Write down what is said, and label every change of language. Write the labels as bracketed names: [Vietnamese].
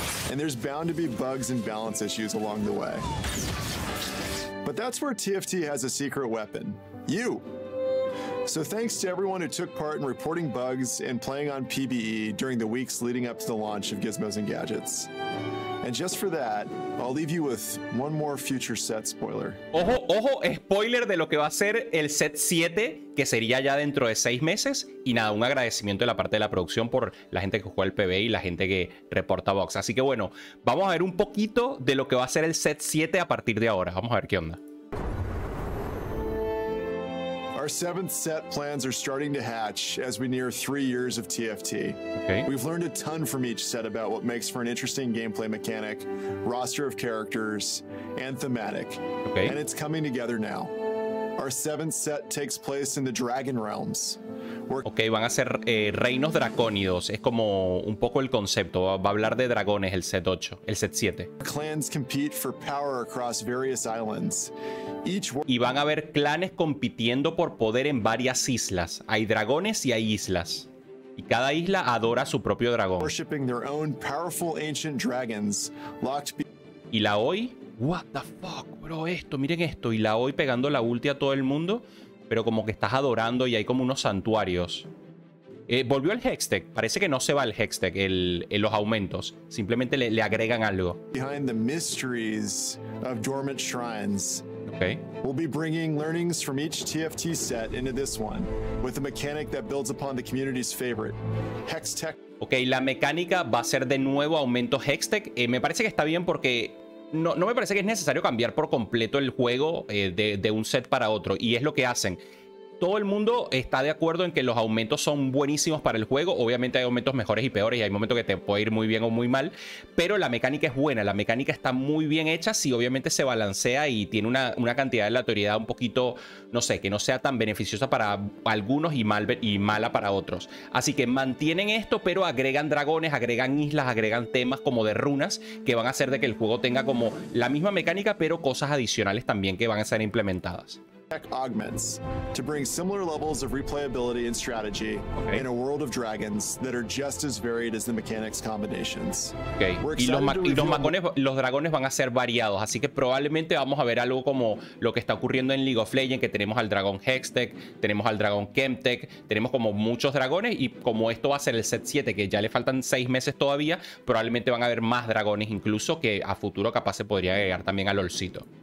[English] And there's bound to be bugs and balance issues along the way. But that's where TFT has a secret weapon. You! So thanks to everyone who took part in reporting bugs and playing on PBE during the weeks leading up to the launch of Gizmos and Gadgets. And just for that, I'll leave you with one more future set spoiler. [Spanish] Ojo, ojo, spoiler de lo que va a ser el set 7, que sería ya dentro de 6 meses. Y nada, un agradecimiento de la parte de la producción por la gente que jugó el PBE y la gente que reporta Vox. Así que bueno, vamos a ver un poquito de lo que va a ser el set 7 a partir de ahora. Vamos a ver qué onda. [English] Our seventh set plans are starting to hatch as we near 3 years of TFT. Okay. We've learned a ton from each set about what makes for an interesting gameplay mechanic, roster of characters, and thematic. Okay. And it's coming together now. Our seventh set takes place in the Dragon Realms. [Spanish] Okay, van a ser reinos dracónidos. Es como un poco el concepto. Va a hablar de dragones el set 8, el set 7. [English] Clans compete for power across various islands. [Spanish] Y van a haber clanes compitiendo por poder en varias islas. Hay dragones y hay islas. Y cada isla adora a su propio dragón. [English] Worshipping their own powerful ancient dragons, locked be- [Spanish] y la hoy. [English] What the fuck, bro, [Spanish] esto, miren esto. Y la hoy pegando la ulti a todo el mundo. Pero como que estás adorando y hay como unos santuarios. Volvió el Hextech. Parece que no se va el Hextech, los aumentos. Simplemente le agregan algo. [English] Behind the mysteries of dormant shrines. Okay. We'll be bringing learnings from each TFT set into this one, with a mechanic that builds upon the community's favorite, Hextech. [Spanish] Ok, la mecánica va a ser de nuevo aumento Hextech. Me parece que está bien porque no me parece que es necesario cambiar por completo el juego de un set para otro. Y es lo que hacen. Todo el mundo está de acuerdo en que los aumentos son buenísimos para el juego. Obviamente hay aumentos mejores y peores y hay momentos que te puede ir muy bien o muy mal. Pero la mecánica es buena, la mecánica está muy bien hecha si obviamente se balancea y tiene una cantidad de aleatoriedad un poquito, no sé, que no sea tan beneficiosa para algunos y mala para otros. Así que mantienen esto, pero agregan dragones, agregan islas, agregan temas como de runas que van a hacer de que el juego tenga como la misma mecánica, pero cosas adicionales también que van a ser implementadas. [English] Augments to bring similar levels of replayability and strategy okay. In a world of dragons that are just as varied as the mechanics combinations. Okay. [Spanish] Los dragones van a ser variados, así que probablemente vamos a ver algo como lo que está ocurriendo en League of Legends, que tenemos al dragón Hextech, tenemos al dragón Chemtech, tenemos como muchos dragones, y como esto va a ser el set 7, que ya le faltan 6 meses todavía, probablemente van a haber más dragones incluso, que a futuro capaz se podría agregar también al olcito.